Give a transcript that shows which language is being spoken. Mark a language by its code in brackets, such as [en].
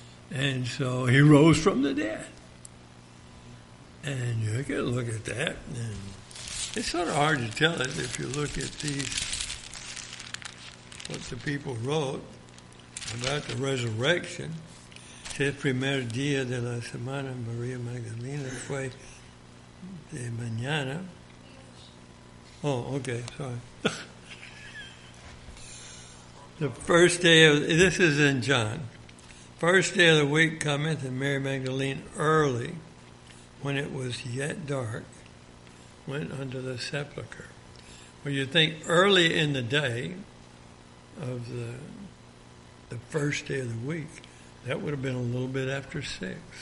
[en] And so he rose from the dead. And you can look at that, and it's sort of hard to tell it if you look at these, what the people wrote about the resurrection. [es] Es primer día de la semana, María Magdalena fue de mañana. [en] Oh, okay, sorry. The first day of, this is in John. First day of the week cometh, and Mary Magdalene early, when it was yet dark, went unto the sepulchre. Well, you think early in the day of the first day of the week, that would have been a little bit after six.